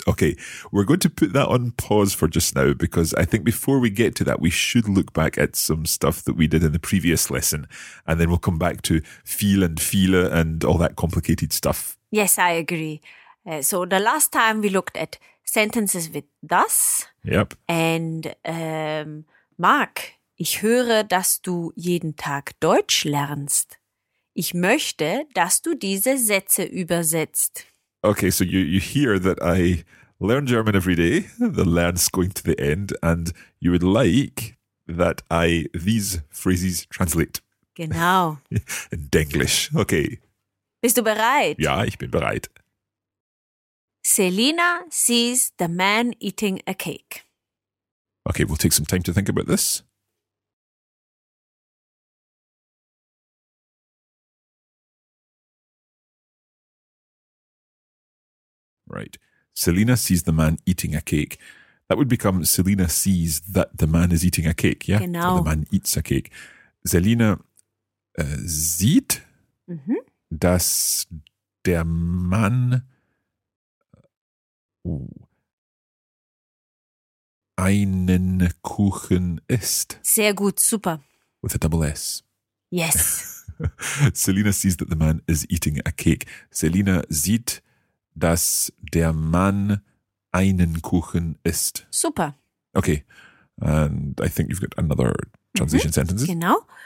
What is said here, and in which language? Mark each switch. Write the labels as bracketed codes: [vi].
[en] Okay, we're going to put that on pause for just now because I think before we get to that, we should look back at some stuff that we did in the previous lesson and then we'll come back to viel and viele and all that complicated stuff. Yes, I agree. So the last time we looked at sentences with das. Yep. And Mark. [de] Ich höre, dass du jeden Tag Deutsch lernst. Ich möchte, dass du diese Sätze übersetzt. [en] Okay, so you hear that I learn German every day. The learn's going to the end. And you would like that I these phrases translate. [de] Genau. [en] In Denglish. Okay. [de] Bist du bereit? Ja, ich bin bereit. [en] Selina sees the man eating a cake. Okay, we'll take some time to think about this. Right. Selina sees the man eating a cake. That would become Selina sees that the man is eating a cake, yeah? [de] Genau. [en] So the man eats a cake. [de] Selina sieht, dass der Mann einen Kuchen isst. Sehr gut, super. [en] With a double S. Yes. Selina sees that the man is eating a cake. [de] Selina sieht... dass der Mann einen Kuchen isst. Super. [en] Okay, and I think you've got another transition sentence. [de] Genau.